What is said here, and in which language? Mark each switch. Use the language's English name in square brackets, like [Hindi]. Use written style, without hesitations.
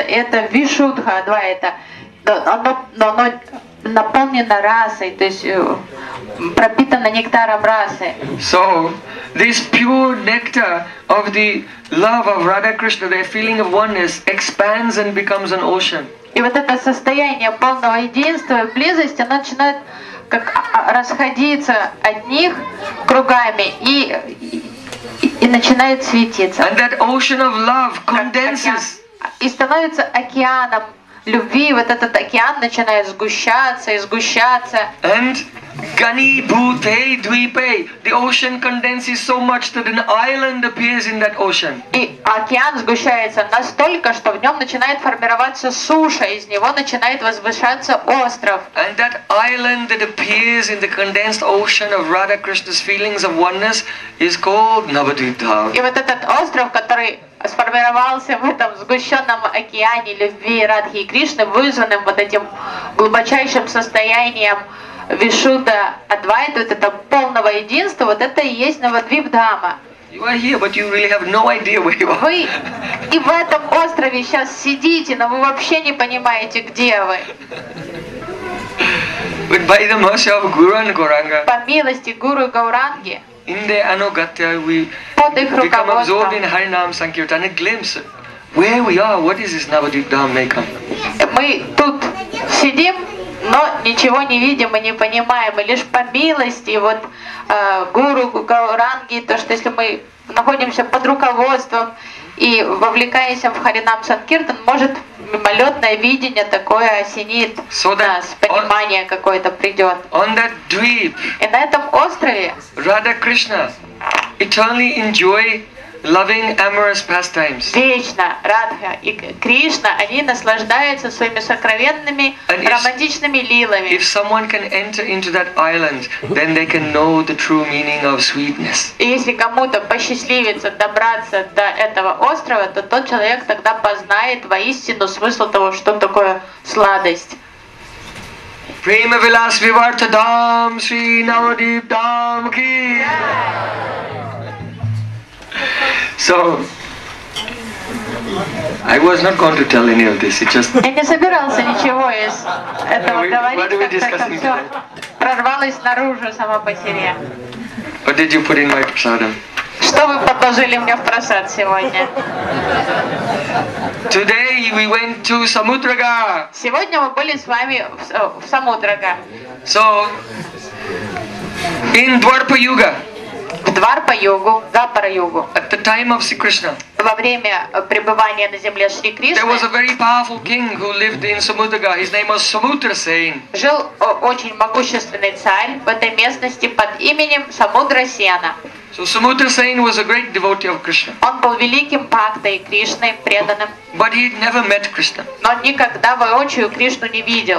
[Russian] Это Вишудха Адвайта, но оно наполнено расой, то есть пропитано нектаром расы. [English] So, this pure nectar of the love of Radha Krishna, their feeling of oneness, expands and becomes an ocean. [Russian] И вот это состояние полного единства и близости, оно начинает как расходиться от них кругами и начинает светиться. [English] And that ocean of love condenses. [Russian] И становится океаном любви, вот этот океан начинает сгущаться. [English] And [Sanskrit] Gani Bhute Dvipe, [English] the ocean condenses so much that an island appears in that ocean. [Russian] И океан сгущается настолько, что в нем начинает формироваться суша, из него начинает возвышаться остров. [English] And that island that appears in the condensed ocean of Radha Krishna's feelings of oneness is called Navadvip Dham. [Russian] И вот этот остров, который сформировался в этом сгущенном океане любви Радхи и Кришны, вызванным вот этим глубочайшим состоянием Вишудда Адвайта, вот это полного единства, вот это и есть Навадвип Дхама. [English] You are here, but you really have no idea where you are. [Russian] Вы и в этом острове сейчас сидите, но вы вообще не понимаете, где вы. [English] But by the mercy of Guru and Gauranga. [Russian] По милости Гуру и Гауранги. [English] In their anugatya, we become absorbed in Harinam Sankirtan, a glimpse of where we are, what is this Navadvip Dham may come. [Russian] Мы тут сидим, но ничего не видим и не понимаем, и лишь по милости вот Гуру Гауранги, то, что если мы находимся под руководством и вовлекаясь в Харинам Санкиртан, может мимолетное видение такое осенит нас, понимание какое-то придет. [English] On that dweep, [Russian] и на этом острове [English] Radha Krishna eternally enjoy loving amorous pastimes. [Russian] Вечно Радха и Кришна, они наслаждаются своими сокровенными романтичными лилами. [English] If someone can enter into that island, then they can know the true meaning of sweetness. [Russian] Если кому-то посчастливится добраться до этого острова, то тот человек тогда познает воистину смысл того, что такое сладость. [Sanskrit] Prema Vilas Vivarta Dham Sri Navadip Dham Ki. [English] So, I was not going to tell any of this. It just. [Russian] Я не собирался ничего из этого говорить. [English] Why do we discuss it? [Russian] Прорвалось наружу само по себе. [English] What did you put in my prasadam? [Russian] Что вы подложили мне в просад сегодня? [English] Today we went to Samudraga. [Russian] Сегодня мы были с вами в Самудрага. [English] So, in Dwarpa Yuga. [Russian] В Дварпа-югу, Двапара-югу. [English] At the time of Sri Krishna. [Russian] Во время пребывания на земле Шри Кришны. [English] There was a very powerful king who lived in Samudraga. His name was Samudrasen. [Russian] Жил очень могущественный царь в этой местности под именем Самудрасена. [English] So Samudrasen was a great devotee of Krishna. [Russian] Он был великим бхактой Кришны, преданным. [English] But he never met Krishna. [Russian] Но никогда воочию Кришну не видел.